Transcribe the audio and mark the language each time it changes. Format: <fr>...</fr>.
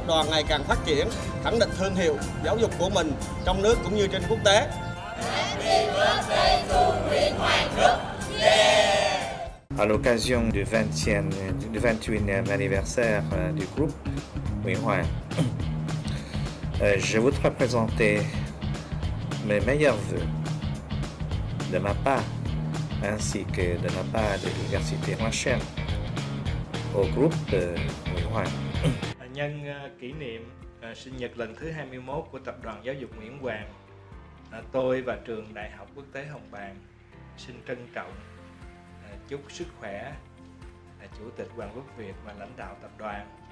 <vi>Ngày càng phát triển, khẳng định thương hiệu giáo dục của mình trong nước cũng như trên quốc tế.</vi> <fr>À l'occasion du 28e anniversaire du groupe Nguyễn Hoàng, je voudrais présenter mes meilleurs vœux de ma part ainsi que de la part de l'université Rochelle au groupe Nguyễn Hoàng.</fr> <vi>Nhân kỷ niệm sinh nhật lần thứ 21 của tập đoàn giáo dục Nguyễn Hoàng, tôi và trường Đại học Quốc tế Hồng Bàng xin trân trọng chúc sức khỏe Chủ tịch Hoàng Quốc Việt và lãnh đạo tập đoàn.</vi>